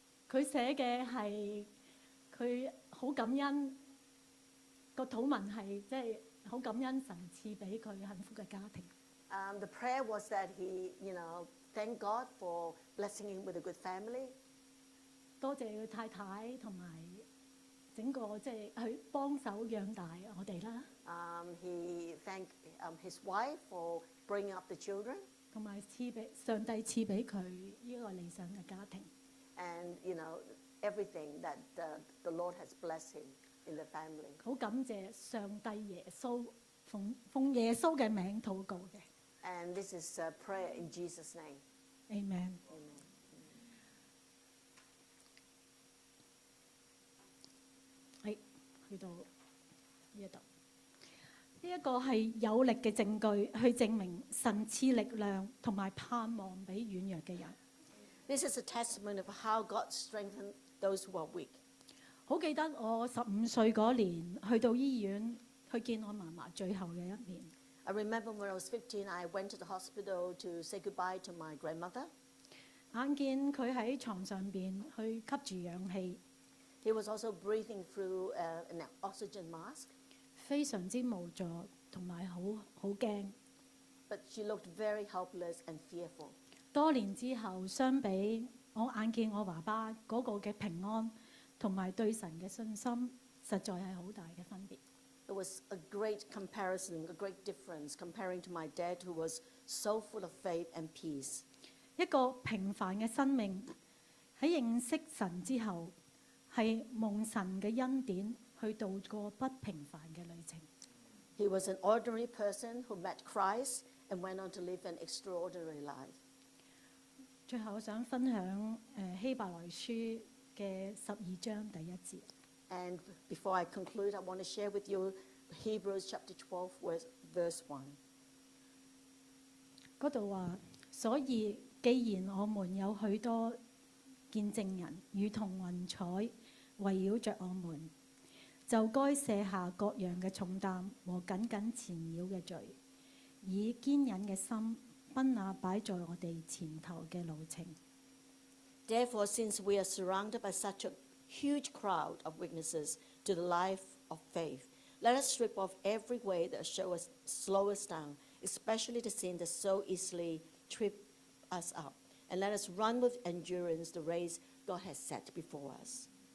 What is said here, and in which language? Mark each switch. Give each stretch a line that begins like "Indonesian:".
Cantonese: 佢寫嘅係佢好感恩，個禱文係即係好感恩神賜俾佢幸福嘅家庭。
English: The prayer was that he, you know, thank God for blessing him with a good family.
Cantonese: 多謝佢太太同埋整個即係佢幫手養大我哋啦。
English: He thanked his wife for bringing up the children.
Cantonese: 同埋賜俾上帝賜俾佢依個理想嘅家庭。
English: And you know everything that the Lord has blessed him in the family.
Cantonese: 好感謝上帝耶穌奉耶穌嘅名禱告嘅。
English: And this is a prayer in Jesus' name. Amen. Amen.
Cantonese: 哎，去到呢一度，呢一个系有力嘅证据，去证明神赐力量同埋盼望俾软弱嘅人。
English: This is a testament of how God strengthened those who are weak.
Cantonese: 好记得我十五岁嗰年去到医院去见我妈妈最后嘅一面。
English: I remember when I was 15, I went to the hospital to say goodbye to my grandmother.
Cantonese: 眼見佢喺牀上邊去吸住氧氣。
English: He was also breathing through an oxygen mask.
Cantonese: 非常之無助，同埋好好驚。
English: But she looked very helpless and fearful.
Cantonese: 多年之後，相比我眼見我爸爸嗰個嘅平安，同埋對神嘅信心，實在係好大嘅分別。
English: It was a great comparison, a great difference comparing to my dad, who was so full of faith and peace.
Cantonese: 一個平凡嘅生命喺認識神之後，係蒙神嘅恩典去度過不平凡嘅旅程。
English: He was an ordinary person who met Christ and went on to live an extraordinary life.
Cantonese: 最後我想分享希伯來書嘅十二章第一節。
English: And before I conclude, I want to share with you Hebrews chapter 12, verse 1.
Cantonese: 嗰度話：所以既然我們有許多見證人如同雲彩圍繞著我們，就該卸下各樣嘅重擔和緊緊纏繞嘅罪，以堅忍嘅心奔那擺在我哋前頭嘅路程。
English: Therefore, since we are surrounded by such a huge crowd of witnesses to the life of faith, let us strip off every weight that slows us down, especially the sin that so easily trips us up, and let us run with endurance the race God has set before us.